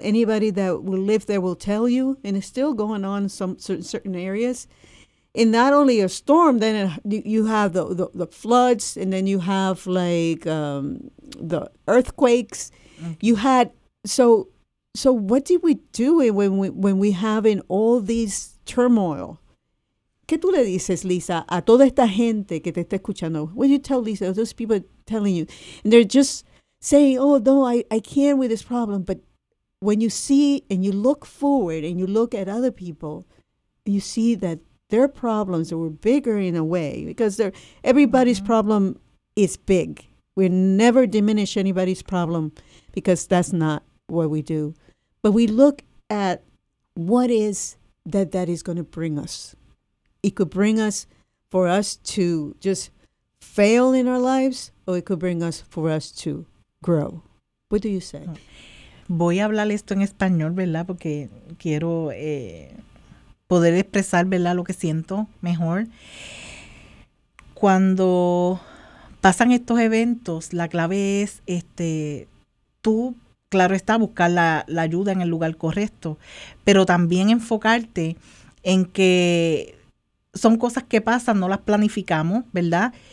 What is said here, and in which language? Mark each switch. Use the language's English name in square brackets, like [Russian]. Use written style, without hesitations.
[English] Anybody that will live there will tell you, and it's still going on in some certain areas. And not only a storm, then you have the floods, and then you have like the earthquakes. Mm-hmm. You had so what did we do when we have in all these turmoil? [Spanish] ¿Qué tú le dices, Liza, a toda esta gente que te está escuchando? [English] What do you tell Liza, those people telling you? And they're just saying, oh, no, I can't with this problem. But when you see and you look forward and you look at other people, you see that their problems were bigger in a way, because everybody's mm-hmm. problem is big. We never diminish anybody's problem, because that's not what we do. But we look at what is that is going to bring us. It could bring us for us to just fail in our lives, or it could bring us for us to grow. What do you say? [Spanish] Voy a hablar esto en español, ¿verdad? Porque quiero poder expresar, ¿verdad?, lo que siento mejor. Cuando pasan estos eventos, la clave es tú, claro está, buscar la ayuda en el lugar correcto, pero también enfocarte en que son cosas que pasan, no las planificamos, ¿verdad?